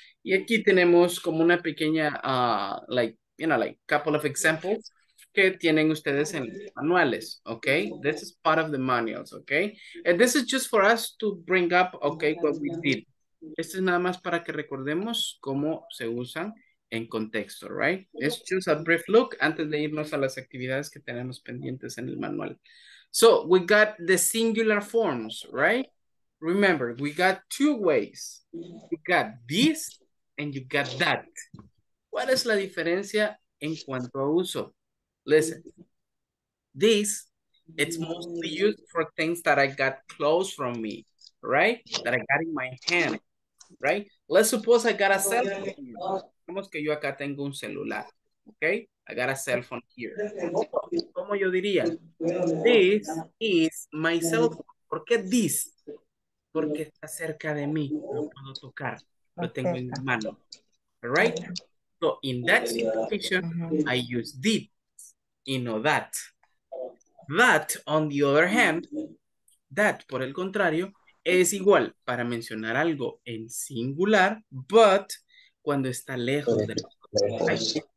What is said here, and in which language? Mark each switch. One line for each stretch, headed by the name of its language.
Spanish: Y aquí tenemos como una pequeña,
English: couple of examples
Spanish: que tienen ustedes en manuales, okay?
English: This is part of the manuals, okay? And this is just for us to bring up, okay, what we did.
Spanish: Esto es nada más para que recordemos cómo se usan en contexto, right?
English: It's just a brief look
Spanish: antes de irnos a las actividades que tenemos pendientes en el manual.
English: So, we got the singular forms, right? Remember, we got two ways. You got this and you got that.
Spanish: ¿Cuál es la diferencia en cuanto a uso?
English: Listen, this, it's mostly used for things that I got close from me, right? That I got in my hand, right? Let's suppose I got a cell phone.
Spanish: Digamos que yo acá tengo un celular, okay?
English: I got a cell phone here.
Spanish: ¿Cómo yo diría?
English: This is my cell phone.
Spanish: ¿Por qué
English: this?
Spanish: Porque está cerca de mí, no puedo tocar, lo tengo en mi mano.
English: All right? So in that situation, I use this
Spanish: y no
English: that. That, on the other hand, that,
Spanish: por el contrario, es igual para mencionar algo en singular, but cuando está lejos de nosotros.